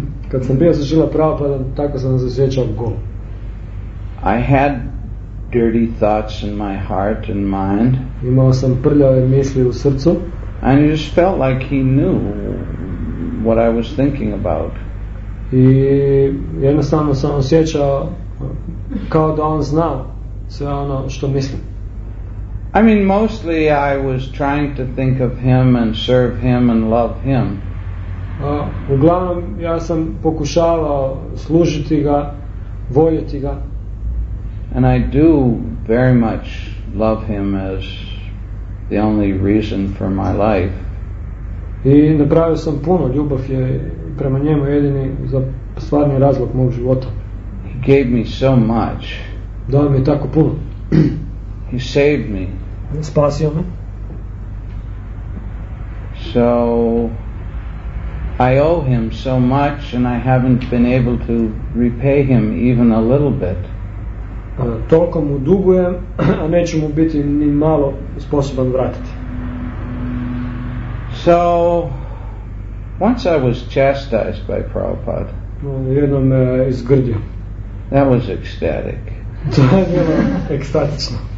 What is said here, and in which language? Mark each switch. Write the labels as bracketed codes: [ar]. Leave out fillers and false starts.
[hr] Kad sam bio sa Srila Prabhupada, tako sam se osjećao gol. [en] I had dirty thoughts in my heart and mind. [hr] Imao sam prljave misli u srcu. [en] And I just felt like he knew what I was thinking about. [hr] I jednostavno sam osjećao kao da on znao sve ono što mislim. [en] I mean, mostly I was trying to think of him and serve him and love him. [hr] Uglavnom, ja sam pokušavao služiti ga, voljeti ga. [en] And I do very much love him as the only reason for my life. [hr] I napravio sam puno, ljubav je prema njemu jedini za stvarni razlog mog života. [en] He gave me so much. [hr] Dao mi je tako puno. [en] He saved me. [hr] Spasio me. [en] So I owe him so much, and I haven't been able to repay him even a little bit. [hr] Toliko mu dugujem, a neću mu biti ni malo sposoban vratiti. [en] So once I was chastised by Prabhupada. [hr] Jednom me izgrdio. [en] That was ecstatic. [hr] To je bilo ekstatično.